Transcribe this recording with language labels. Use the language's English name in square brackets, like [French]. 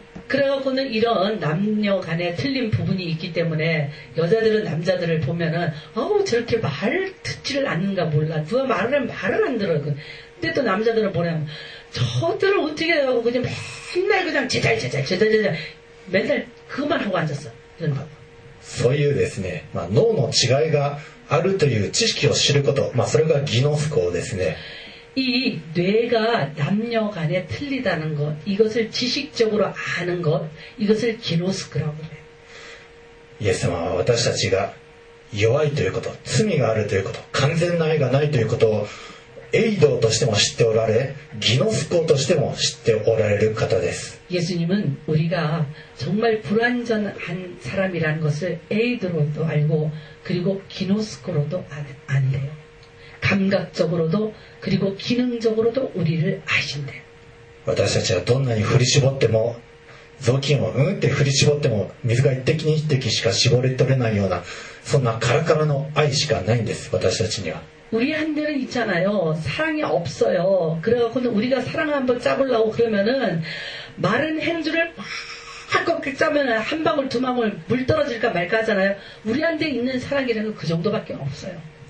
[Korean] 그래갖고는이런남녀간에틀린부분이있기때문에여자들은남자들을보면은아우저렇게말듣지를않는가몰라누가말을하면말을안들어근데또남자들은뭐냐면저들은어떻게해갖고그냥맨날그냥제잘제잘제잘제잘맨날그것만하고앉았어이런거 [Japanese] そういうですね、まあ、脳の違いがあるという知識を知ること、まあ、それが技能思考ですね [Korean] 이뇌가남녀간에틀리다는것이것을지식적으로아는것이것을기노스크라고해요 예수님은우리들이 [Japanese] 弱いということ罪があるということ完全な愛がないということをエイドとしても知っておられ技能思考としても知っておられる方です [Korean] 예수님은우리가정말불완전한사람이라는것을エイド로도알고그리고기노스크로도안안돼요감각적으로도그리고기능적으로도우리를아신대 [Japanese] 요私たちはどんなに振り絞っても雑巾をうんって振り絞っても水が一滴二滴しか絞り取れないようなそんなカラカラの愛しかないんです私たちには [Korean] 우리한테는있잖아요사랑이없어요그래갖고는우리가사랑을한번짜보려고그러면은마른행주를한껏짜면은한방울두방울물떨어질까말까하잖아요우리한테있는사랑이라는그정도밖에없어요